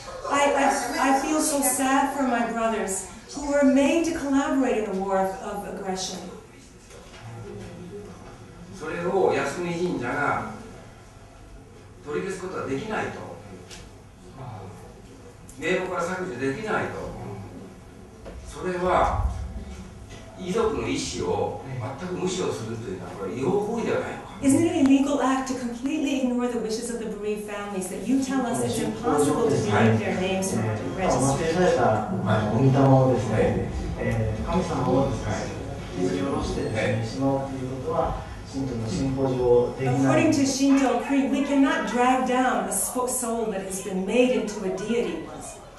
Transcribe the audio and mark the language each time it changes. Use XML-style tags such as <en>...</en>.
<en>I feel so sad for my brothers who were made to collaborate in the war of aggression.</en> <ja>それを靖国神社が取り消すことはできないと。名簿から削除できないと。それは遺族の意思を全く無視をするというのはこれ違法行為ではないのか。</ja> <en>Isn't it an illegal act to completely ignore the wishes of the bereaved families that you tell us it's impossible to remove their names from the register?</en> <ja>申し上げた、まあ、お御霊をですね、神様をですね、引き下ろしてしまうということは、</ja> <en>According to Shinto creed, we cannot drag down a soul that has been made into a deity once.</en>